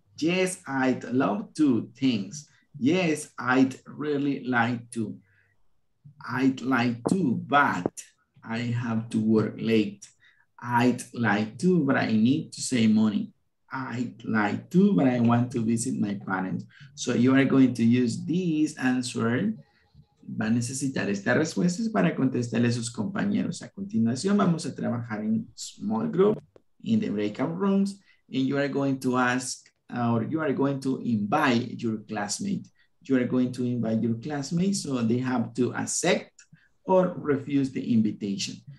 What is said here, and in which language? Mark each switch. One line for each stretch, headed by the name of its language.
English: Yes, I'd love to. Thanks. Yes, I'd really like to. I'd like to, but I have to work late. I'd like to, but I need to save money. I'd like to, but I want to visit my parents. So you are going to use this answer.
Spanish: Va a necesitar estas respuestas para contestarle a sus compañeros. A continuación, vamos a trabajar en
English: small group, in the breakout rooms, and you are going to ask, or you are going to invite your classmate. You are going to invite your classmates, so they have to accept or refuse the invitation.